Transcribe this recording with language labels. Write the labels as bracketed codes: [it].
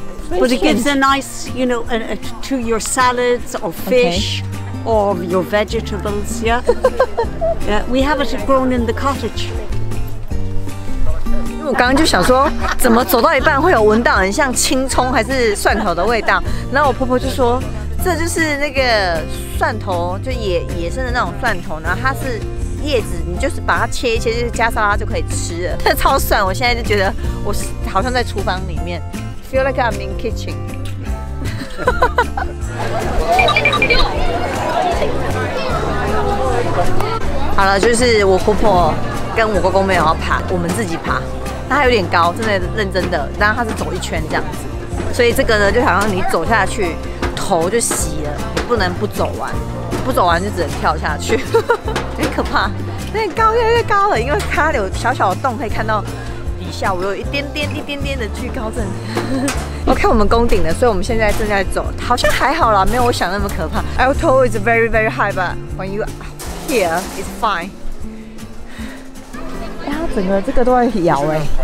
[en] But it gives a nice, you know, to your salads or fish. Okay. Or your vegetables, yeah? Yeah, we have it grown in the cottage. [zh] 我刚刚就想说，怎么走到一半会有闻到很像青葱还是蒜头的味道？然后我婆婆就说，这就是那个蒜头，就野生的那种蒜头。然后它是叶子，你就是把它切一切，就是加沙拉就可以吃了。这超蒜，我现在就觉得我好像在厨房里面 ， [en] feel like I'm in kitchen. [zh] 好了，就是我婆婆跟我公公没有要爬，我们自己爬。它有点高，真的认真的，但它是走一圈这样子，所以这个呢，就好像你走下去，头就洗了，你不能不走完，不走完就只能跳下去，有点可怕，有点高，越来越高了，因为它有小小的洞可以看到底下，我有一点点的惧高症。 OK， 我们攻顶了，所以我们现在正在走，好像还好啦，没有我想那么可怕。 [en] Altitude is very very high, but when you here, it's fine. [zh] 哎，它整个这个都在摇哎。